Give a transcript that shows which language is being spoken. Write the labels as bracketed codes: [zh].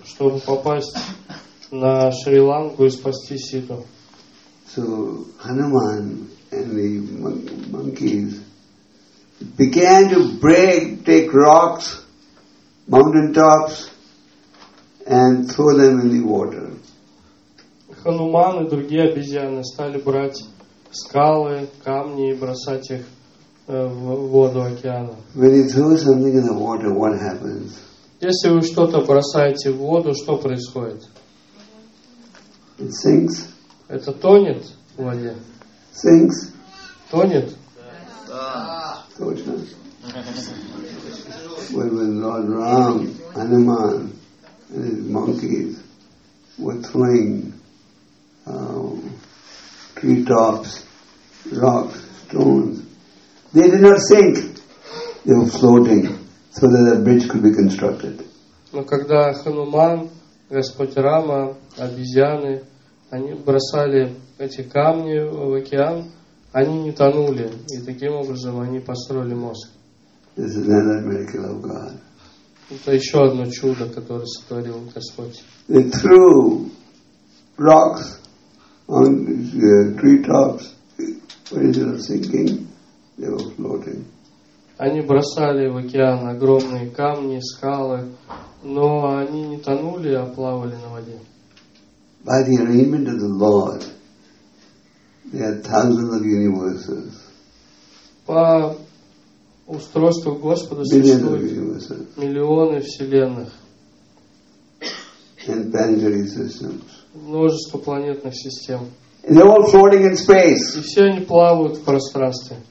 [ru] Чтобы попасть на Шри-Ланку и спасти Ситу. [en] So Hanuman and the monkeys began to break, take rocks, mountain tops, and throw them in the water. [ru] Хануман и другие обезьяны стали брать скалы, камни и бросать их в воду океана. [en] When you throw something in the water, what happens? [ru] Если вы что-то бросаете в воду, что происходит? [en] It sinks. [ru] Это тонет в воде. [en] Sinks. [ru] Тонет. [en] When Lord Ram, Hanuman, and his monkeys were throwing tree tops, rocks, stones, they did not sink. They were floating, so that the bridge could be constructed. [ru] Но когда Хануман, Господь Рама, обезьяны, они бросали эти камни в океан, они не тонули, и таким образом они построили мост. [en] This is another miracle of God. [ru] Это еще одно чудо, которое сотворил Господь. [en] They threw rocks on the tree tops, but instead of sinking, they were floating. [ru] Они бросали в океан огромные камни, скалы, но они не тонули, а плавали на воде. [en] By the arrangement of the Lord, there are thousands of universes. [ru] По устройству Господа существуют миллионы вселенных. [en] And planetary systems. [ru] Множество планетных систем. [en] They're all floating in space. [ru] И все они плавают в пространстве.